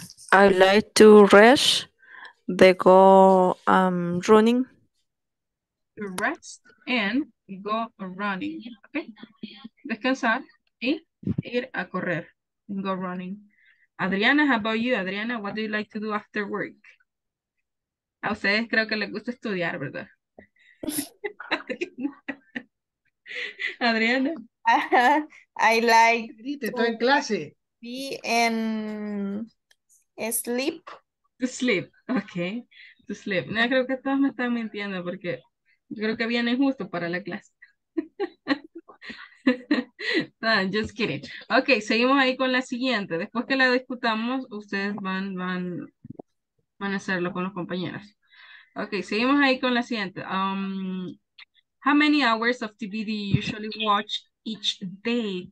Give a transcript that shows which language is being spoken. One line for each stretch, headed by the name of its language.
English: I like to rest, then go running. to rest and go running. Okay.
Spanish: Descansar y ir a correr.
English: Go running.
Spanish: Adriana,
English: how about you? Adriana, what do you like to do after work?
Spanish: A ustedes creo que les gusta estudiar, ¿verdad? Adriana.
English: I like
Spanish: to estoy en clase.
English: Be in sleep. To sleep, okay. To sleep.
Spanish: No, creo que todos me están mintiendo porque yo creo que viene justo para la clase.
English: No, just kidding. Okay,
Spanish: seguimos ahí con la siguiente. Después que la discutamos, ustedes van a hacerlo con los compañeros. Okay, seguimos ahí con la siguiente.
English: How many hours of TV do you usually watch each day?